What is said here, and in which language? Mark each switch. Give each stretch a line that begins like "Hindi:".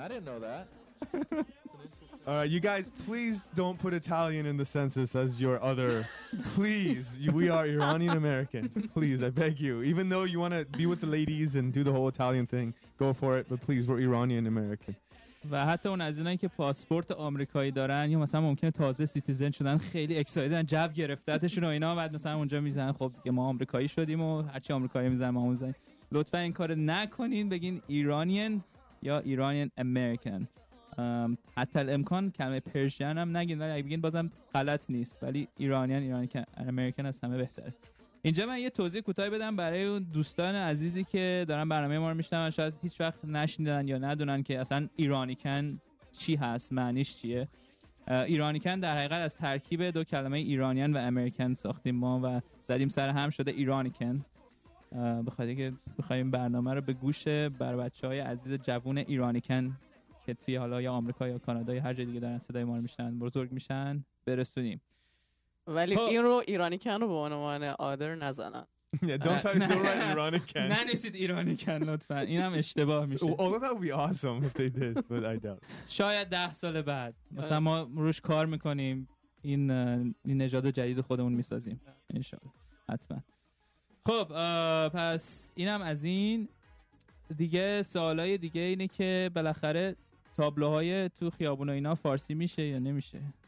English: I didn't know that." All right, you guys, please don't put Italian in the census as your other. Please, we are Iranian American. Please, I beg you. Even though you want to be with the ladies and do the whole Italian thing, go for it. But please, we're Iranian American.
Persian: و حتی اون از اینایی که پاسپورت آمریکایی دارن یا مثلا ممکنه تازه سیتیزن شدن خیلی اکسایدن جو گرفتتشون و اینا بعد مثلا اونجا میزنن خب ما آمریکایی شدیم و هرچی آمریکایی میزنن ما هم میزنیم. لطفا این کار نکنین بگین ایرانیان یا ایرانیان امریکن. حتی امکان کلمه پرشین هم نگین ولی اگه بگین بازم غلط نیست ولی ایرانیان امریکن از همه بهتره. اینجا من یه توضیح کوتاهی بدم برای اون دوستان عزیزی که دارن برنامه ما رو میشنون شاید هیچ وقت نشنیدن یا ندونن که اصلا ایرانیکن چی هست، معنیش چیه. ایرانیکن در حقیقت از ترکیب دو کلمه ایرانیان و امریکن ساختیم ما و زدیم سر هم شده ایرانیکن. بخاطر اینکه بخوایم برنامه رو به گوش بر بچهای عزیز جوان ایرانیکن که توی حالا یا آمریکا یا کانادا یا هر جای دیگه دارن صدای ما رو میشنن بزرگ میشن برسونیم. ولی این رو ایرانیکن رو به عنوان آدر نزنن.
English: Yeah, don't tell you don't write Iranican.
Persian: ننویسید ایرانی کن لطفا. اینم اشتباه میشه.
English: Although that would be awesome if they did, but I doubt.
Persian: شاید 10 سال بعد مثلا ما روش کار میکنیم این نژاد جدید خودمون میسازیم ان شاء الله. حتما. خب پس اینم از این دیگه. سوالای دیگه اینه که بالاخره تابلوهای تو خیابون اینا فارسی میشه یا نمیشه؟